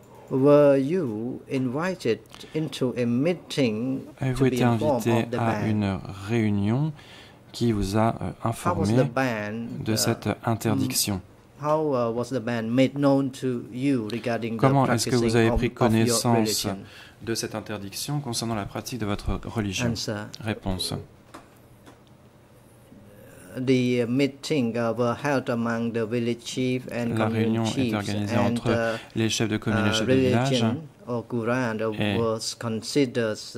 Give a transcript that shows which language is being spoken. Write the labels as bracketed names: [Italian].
[English] Were you invited into a meeting [French] Avez-vous été invité à une réunion qui vous a informé de cette interdiction? Comment est-ce que vous avez pris connaissance de cette interdiction concernant la pratique de votre religion? Réponse. [English] The meeting were held among the village chief and [French] la réunion est organisée entre les chefs de commune et les chefs de village.